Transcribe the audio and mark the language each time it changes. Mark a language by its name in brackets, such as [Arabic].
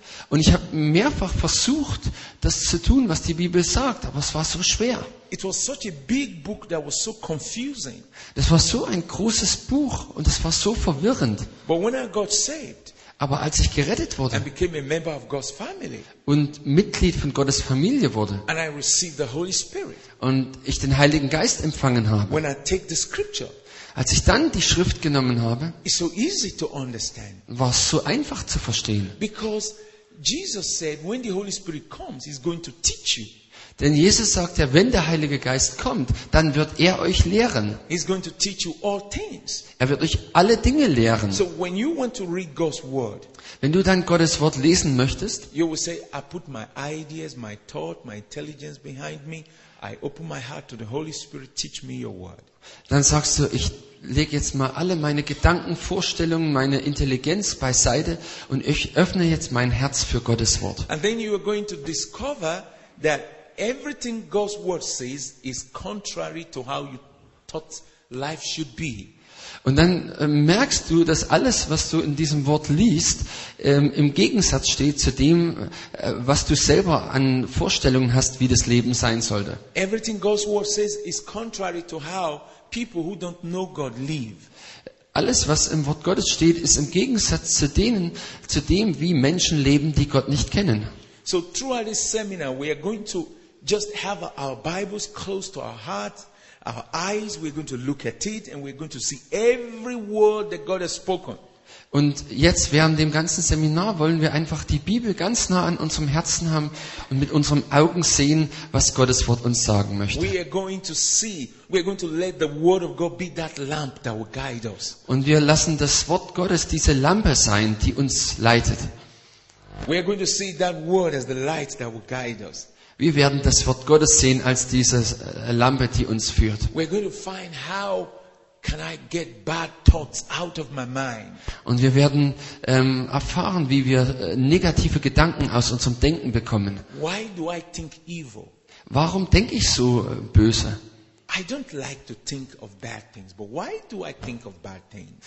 [German] Und ich habe mehrfach versucht, das zu tun, was die Bibel sagt, aber es war so schwer. [English] It was such a big book that was so confusing. [German] Das war so ein großes Buch und es war so verwirrend. [English] But when I got saved, [German] aber als ich gerettet wurde [English] and became a member of God's family, [German] und Mitglied von Gottes Familie wurde [English] and I received the Holy Spirit, [German] und ich den Heiligen Geist empfangen habe, [English] when I take the scripture, [German] als ich dann die Schrift genommen habe, [English] it's so easy to understand, [German] war es so einfach zu verstehen. [English] Because Jesus said, when the Holy Spirit comes, he's going to teach you. [German] Denn Jesus sagt ja, wenn der Heilige Geist kommt, dann wird er euch lehren. [English] He's going to teach you all things. [German] Er wird euch alle Dinge lehren. [English] So when you want to read God's word, [German] wenn du dann Gottes Wort lesen möchtest, [English] you will say, I put my ideas, my thought, my intelligence behind me. I open my heart to the Holy Spirit, teach me your word. [German] Dann sagst du, ich lege jetzt mal alle meine Gedanken, Vorstellungen, meine Intelligenz beiseite und ich öffne jetzt mein Herz für Gottes Wort. [English] And then you are going to discover that everything God's word says is contrary to how you thought life should be. [German] Und dann merkst du, dass alles, was du in diesem Wort liest, im Gegensatz steht zu dem, was du selber an Vorstellungen hast, wie das Leben sein sollte. [English] Everything God's word says is contrary to how people who don't know God live. [German] Alles, was im Wort Gottes steht, ist im Gegensatz zu denen, zu dem, wie Menschen leben, die Gott nicht kennen. [English] So throughout this seminar we are going to just have our Bibles close to our hearts, our eyes, we're going to look at it and we're going to see every word that God has spoken. [German] Und jetzt während dem ganzen Seminar wollen wir einfach die Bibel ganz nah an unserem Herzen haben und mit unseren Augen sehen, was Gottes Wort uns sagen möchte. [English] We are going to see, we are going to let the word of God be that lamp that will guide us. [German] Und wir lassen das Wort Gottes diese Lampe sein, die uns leitet. [English] We are going to see that word as the light that will guide us. [German] Wir werden das Wort Gottes sehen als diese Lampe, die uns führt. [English] We are going to find how can I get bad thoughts out of my mind. [German] Und wir werden erfahren, wie wir negative Gedanken aus unserem Denken bekommen. [English] Why do I think evil? [German] Warum denke ich so böse? [English] I don't like to think of bad things, but why do I think of bad things?